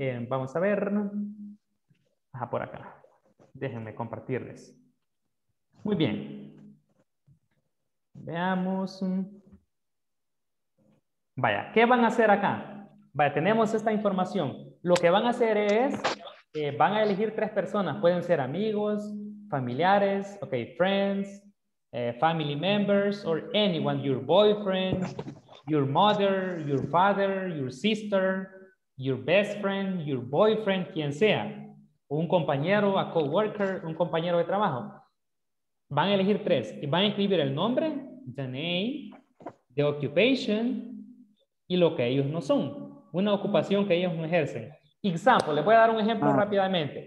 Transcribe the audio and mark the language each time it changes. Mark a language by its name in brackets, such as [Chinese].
[Spanish] Vamos a ver. Ajá, por acá. Déjenme compartirles. Muy bien. Veamos. Vaya, ¿qué van a hacer acá? Vaya, tenemos esta información. Lo que van a hacer es, van a elegir tres personas. Pueden ser amigos, familiares, ok, [English] friends, family members, or anyone, your boyfriend, your mother, your father, your sister, your best friend, your boyfriend, [Spanish] quien sea. Un compañero, [English] a coworker, [Spanish] un compañero de trabajo. Van a elegir tres y van a escribir el nombre, [English] the name, the occupation, [Spanish] y lo que ellos no son. Una ocupación que ellos no ejercen. Example, les voy a dar un ejemplo rápidamente.